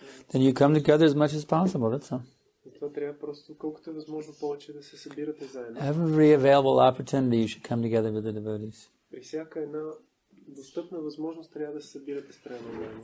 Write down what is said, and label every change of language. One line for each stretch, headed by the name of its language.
English: then you come together as much as possible, that's all.
Bulgarian: Това трябва просто колкото е възможно повече да се събирате заедно.
English: Every available opportunity you should come together with the devotees.
Bulgarian: При всяка една достъпна възможност трябва да се събирате с преданоотдадените.